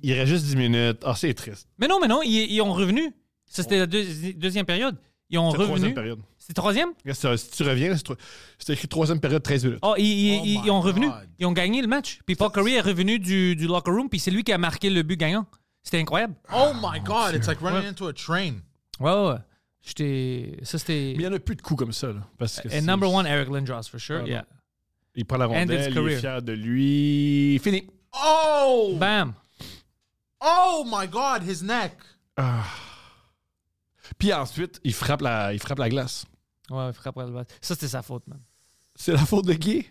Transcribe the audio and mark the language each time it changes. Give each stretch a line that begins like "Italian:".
French: Il reste juste 10 minutes. Ah, oh, c'est triste. Mais non, ils ont revenu. Ça, c'était la deuxième période. Ils ont c'est revenu. Troisième période. C'est troisième? Si tu reviens, c'est écrit troisième période, 13 minutes. Oh, ils ont revenu. God. Ils ont gagné le match. Puis Paul Kariya est revenu du locker room, puis c'est lui qui a marqué le but gagnant. C'était incroyable.
English: Oh my God, Dieu. It's like running into a train.
French: Ouais. J'étais. Ça, c'était. Mais il n'y en a plus de coups comme ça, là. Parce que
English: and number one, Eric Lindros, for sure. Ah, yeah.
French: Il prend la rondelle, il est fier de lui. Fini. Oh! Bam!
English: Oh my God, his neck!
French: Puis ensuite, il frappe la glace. Ouais, il frappe la glace. Ça, c'était sa faute, man. C'est la faute de qui?